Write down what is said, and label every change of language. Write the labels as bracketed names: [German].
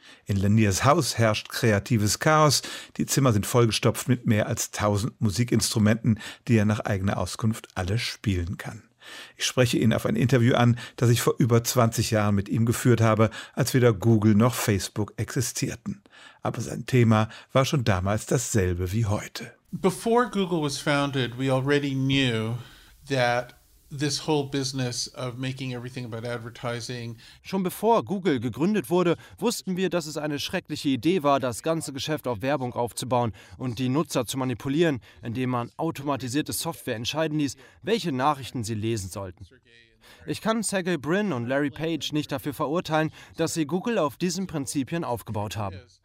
[German] In Laniers Haus herrscht kreatives Chaos, die Zimmer sind vollgestopft mit mehr als 1000 Musikinstrumenten, die er nach eigener Auskunft alle spielen kann. Ich spreche ihn auf ein Interview an, das ich vor über 20 Jahren mit ihm geführt habe, als weder Google noch Facebook existierten. Aber sein Thema war schon damals dasselbe wie heute. [English] Before Google was founded, we already knew that this whole business of making everything about advertising. [German] Schon bevor Google gegründet wurde, wussten wir, dass es eine schreckliche Idee war, das ganze Geschäft auf Werbung aufzubauen und die Nutzer zu manipulieren, indem man automatisierte Software entscheiden ließ, welche Nachrichten sie lesen sollten. Ich kann Sergey Brin und Larry Page nicht dafür verurteilen, dass sie Google auf diesen Prinzipien aufgebaut haben.